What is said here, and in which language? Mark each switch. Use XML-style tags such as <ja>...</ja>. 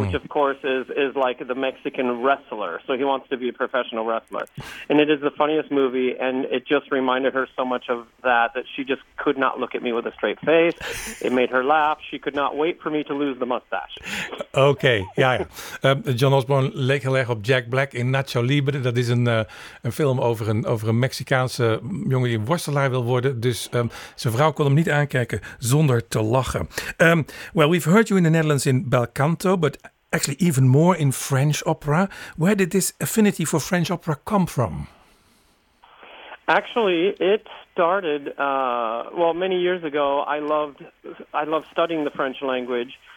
<en>Which, of course, is like the Mexican wrestler. So he wants to be a professional wrestler. And it is the funniest movie, and it just reminded her so much of that she just could not look at me with a straight face. It made her laugh. She could not wait for me to lose the mustache.</en> <nl>Oké, okay, ja. John Osborne leek heel erg op Jack Black in Nacho Libre. Dat is een film over een Mexicaanse jongen die worstelaar wil worden. Dus zijn vrouw kon hem niet aankijken zonder te lachen.</nl> <en>Well, we've heard you in the Netherlands in Bel Canto, but actually even more in French opera. Where did this affinity for French opera come from? Actually, it started, many years ago. I loved studying the French language.</en>